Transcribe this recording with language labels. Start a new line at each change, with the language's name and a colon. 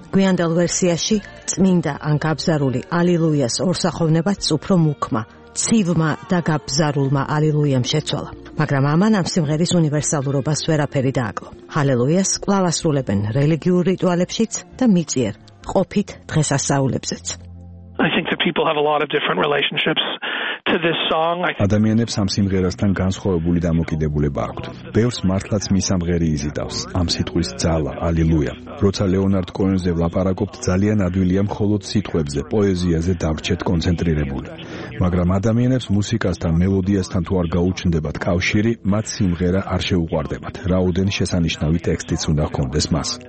Georgian: გვიანდელ ვერსიაში წმინდა ან გაბზარული ალილუიას ორსახოვნებაც უფრო მუქმა, ცივმა და გაბზარულმა ალილუიამ შეცვალა. მაგრამ ამან ამ სიმღერის უნივერსალურობას ვერაფერი დააკლო. ჰალელუიას კვლავ ასრულებენ რელიგიურ რიტუალებშიც და მიწიერ ყოფით დღესასწაულებზეც.
English: I think that people have a lot of different relationships to this song.
Georgian: ადამიანებს ამ სიმღერასთან განსხვავებული დამოკიდებულება აქვთ. ბევრს მართლაც მისამღერი იზიდავს ამ სიტყვის ძალა, ალილუია. როცა ლეონარდ კოენზე ვლაპარაკობთ, ძალიან ადვილია მხოლოდ სიტყვებზე, პოეზიაზე დავრჩეთ კონცენტრირებული. მაგრამ ადამიანებს მუსიკასთან, მელოდიასთან თუ არ გაუჩნდებათ კავშირი, მათ სიმღერა არ შეუყვარდებათ, რაოდენ შესანიშნავი ტექსტიც უნდა ჰქონდეს მას.